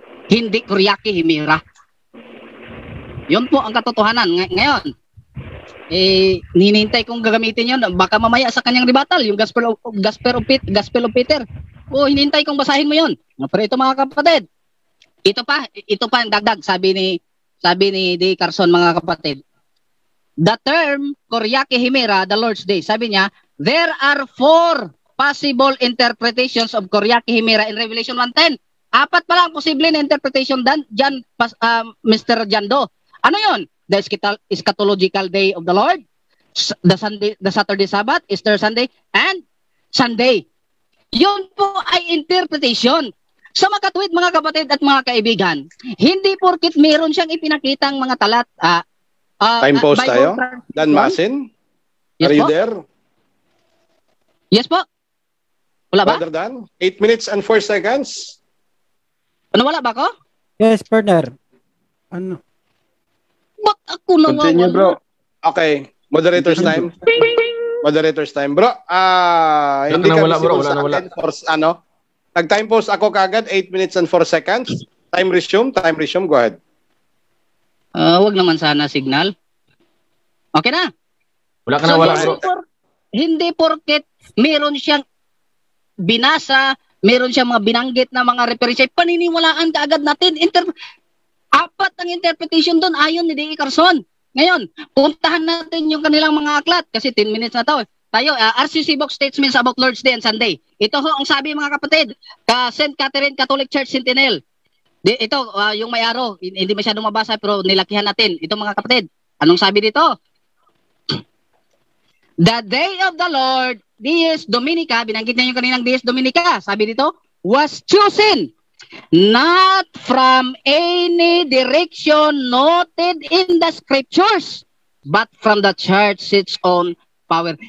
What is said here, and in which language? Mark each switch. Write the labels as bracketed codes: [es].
[tl] Hindi Kuryaki Himira. Yun po ang katotohanan. Ngayon, ninintay kong gagamitin yun. Baka mamaya sa kanyang rebuttal, yung Gospel of Peter. O, hinintay kong basahin mo yun. Pero ito mga kapatid, ito pa ang dagdag, sabi ni D. Carson mga kapatid. [en] The term Kuryaki Himira, the Lord's Day, [tl] sabi niya, [en] there are four possible interpretations of Kuryaki Himira in Revelation 1:10. [tl] Apat pala ang posible na interpretation dyan, Mr. John Doe. Ano yun? [en] The eschatological day of the Lord, the Saturday Sabbath, Easter Sunday, and Sunday. [tl] Yun po ay interpretation. Sa makatwid mga kapatid at mga kaibigan, hindi porkit meron siyang ipinakitang mga talat. [en] Time post [tl] tayo? Dan Masin? [en] Yes, are you [tl] po? There? Yes po. Wala ba? [en] Brother Dan, 8 minutes and 4 seconds. [tl] Ano, wala ba ko? [en] Yes, partner. Ano? [tl] Ba't ako nawawala? [en] Continue, bro. Okay. Moderator's time. Moderator's time, bro. [tl] Hindi ka visible sa akin. Ano? Nag-time post ako kagad, [en] 8 minutes and 4 seconds. Time resume, go ahead. [tl] Wag naman sana signal. Okay na. Wala ka na, so, wala. Hindi porket meron siyang binasa, meron siyang mga binanggit na mga referensya, paniniwalaan ka agad natin. Apat ang interpretation doon ayon ni D. Carson. Ngayon, puntahan natin yung kanilang mga aklat kasi 10 minutes na tayo. [en] Tayo, RCC Book Statements about Lord's Day and Sunday. [tl] Ito ho ang sabi mga kapatid, ka St. Catherine Catholic Church Sentinel. Yung may araw, hindi masyadong mabasa pero nilakihan natin. Ito mga kapatid, anong sabi dito? [en] The Day of the Lord, Dies Dominica, [tl] binanggit niya yung kaninang Dies Dominica, sabi dito, [en] was chosen not from any direction noted in the scriptures, but from the church's own power.